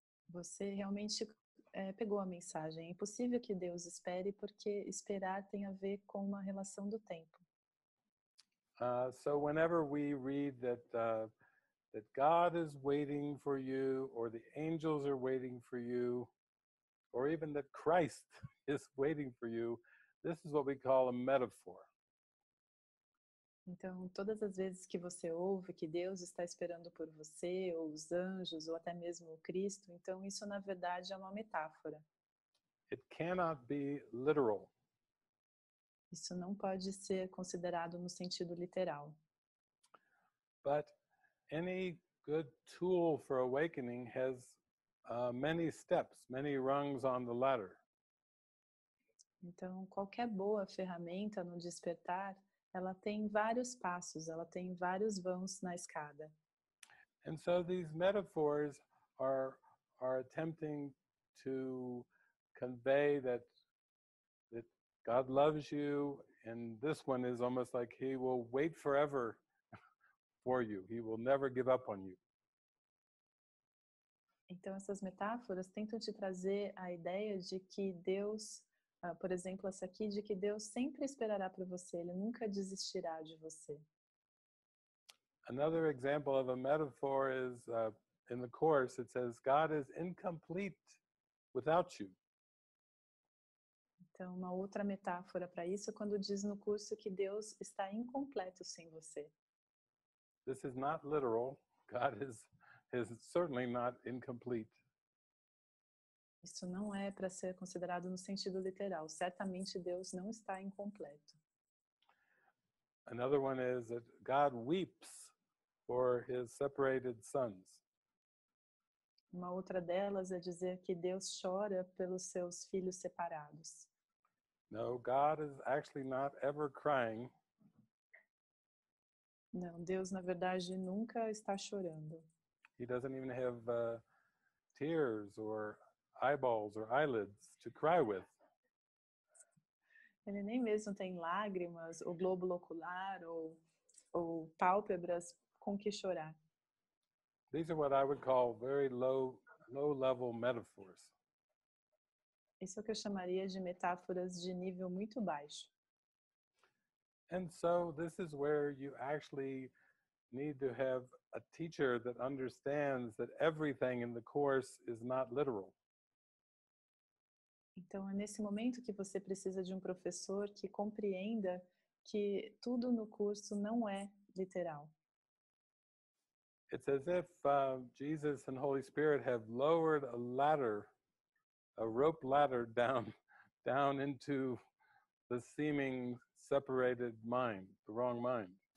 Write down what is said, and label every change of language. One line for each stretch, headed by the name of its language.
Portuguese: Você realmente pegou a mensagem. É impossível que Deus espere porque esperar tem a ver com uma relação do tempo.
English: So whenever we read that that God is waiting for you or the angels are waiting for you, or even that Christ is waiting for you, this is what we call a metaphor.
Portuguese: Então, todas as vezes que você ouve que Deus está esperando por você, ou os anjos, ou até mesmo o Cristo, então isso, na verdade, é uma metáfora.
English: It cannot be literal.
Portuguese: Isso não pode ser considerado no sentido literal.
English: But any good tool for awakening has many steps, many rungs on the ladder.
Portuguese: Então, qualquer boa ferramenta no despertar, ela tem vários passos, ela tem vários vãos na escada.
English: And so these metaphors are attempting to convey that God loves you, and this one is almost like he will wait forever for you. He will never give up on you.
Portuguese: Então, essas metáforas tentam te trazer a ideia de que Deus, por exemplo, essa aqui, de que Deus sempre esperará por você, ele nunca desistirá de você.
English: Another example of a metaphor is, in the course, it says, God is incomplete without you.
Portuguese: Então, uma outra metáfora para isso é quando diz no curso que Deus está incompleto sem você.
English: This is not literal. God is certainly not incomplete.
Portuguese: Isso não é para ser considerado no sentido literal. Certamente Deus não está incompleto.
English: Another one is that God weeps for his separated sons.
Portuguese: Uma outra delas é dizer que Deus chora pelos seus filhos separados.
English: No, God is actually not ever crying.
Portuguese: Não, Deus na verdade nunca está chorando.
English: He doesn't even have tears or eyeballs or eyelids to cry with.
Portuguese: Ele nem mesmo tem lágrimas, ou glóbulo ocular, ou pálpebras com que chorar.
English: These are what I would call very low-level metaphors.
Portuguese: Isso é o que eu chamaria de metáforas de nível muito baixo.
English: And so this is where you actually need to have a teacher that understands that everything in the course is not literal.
Portuguese: Então, é nesse momento que você precisa de um professor que compreenda que tudo no curso não é literal.
English: It's as if Jesus and Holy Spirit have lowered a ladder, a rope ladder down into the seeming separated mind, the wrong mind.